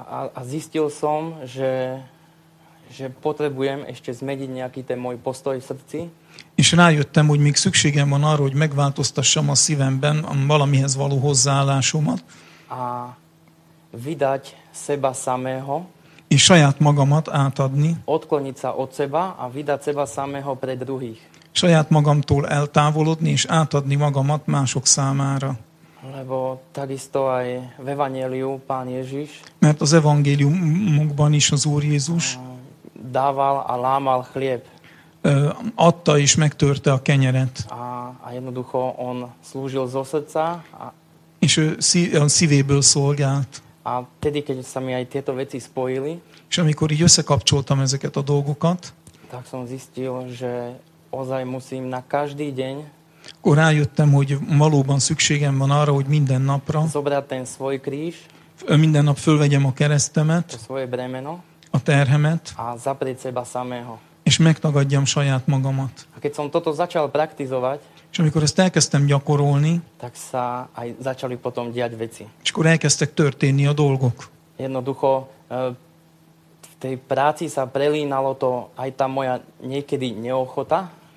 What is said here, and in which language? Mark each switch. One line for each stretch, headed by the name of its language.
Slovak: A zistil som, že potrebujem ešte zmeniť nejaký ten môj postoj v srdci.
Hungarian: És rájöttem, hogy még szükségem van arra, hogy megváltoztassam a szívemben valamihez való hozzáállásomat.
Slovak: A vydať seba samého.
Hungarian: És saját magamat átadni.
Slovak: Odkloniť sa od seba a vydať seba samého pre druhých.
Hungarian: Saját magamtól eltávolodni és átadni magamat mások számára.
Slovak: Lebo takisto aj v evanjeliu pán Ježiš.
Hungarian: Mert az evangéliumokban is az Úr Jézus.
Slovak: Dával a lámal chlieb.
Hungarian: Adta és megtörte a kenyeret.
Slovak: A jednoducho on slúžil zo srdca a
Hungarian: és ő szívéből szolgált.
Slovak: A tedy, keď sa mi aj tieto veci spojili,
Hungarian: és amikor így összekapcsoltam ezeket a dolgokat,
Slovak: tak som zistil, že ozaj musím na každý deň,
Hungarian: akkor rájöttem, hogy valóban szükségem van arra, hogy minden napra
Slovak: zobrať ten svoj kríž,
Hungarian: minden nap fölvegyem a keresztemet,
Slovak: a svoje bremeno,
Hungarian: a terhemet,
Slovak: a zaprieť seba samého,
Hungarian: és megtagadjam saját magamat.
Slovak: A keď som toto začal praktizovať,
Hungarian: és amikor ezt elkezdtem gyakorolni,
Slovak: tak sa aj začali potom diať veci.
Hungarian: És akkor elkezdtek történni a dolgok.
Slovak: Jednoducho v tej práci sa prelínalo to aj tá moja niekedy neochota.